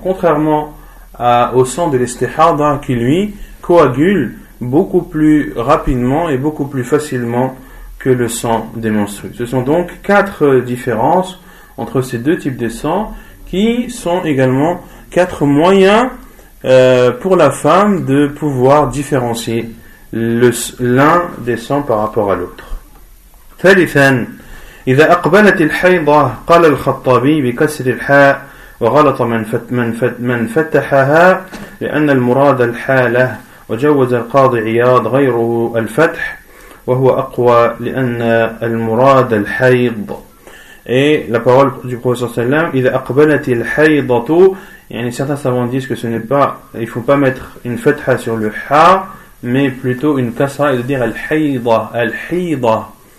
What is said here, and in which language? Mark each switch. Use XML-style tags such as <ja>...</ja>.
<fr>Contrairement au sang de l'istihada qui, lui, coagule beaucoup plus rapidement et beaucoup plus facilement que le sang des menstrues. Ce sont donc quatre différences entre ces deux types de sang qui sont également quatre moyens pour la femme de pouvoir différencier l'un des sangs par rapport à l'autre.</fr> <ar>ثالثاً إذا أقبلت الحيضة قال الخطابي بكسر الحاء وغلط من فتحها لأن المراد الحالة وجوز القاضي عياض غيره الفتح وهو أقوى لأن المراد الحيض.</ar> <fr>Et la parole du Prophète sallam,</fr> <ar>إذا أقبلت الحيضة,</ar> <fr>يعني certains savants disent que ce n'est pas, il faut pas mettre une fatha sur le ha, mais plutôt une kasra, c'est-à-dire al-hayda.</fr>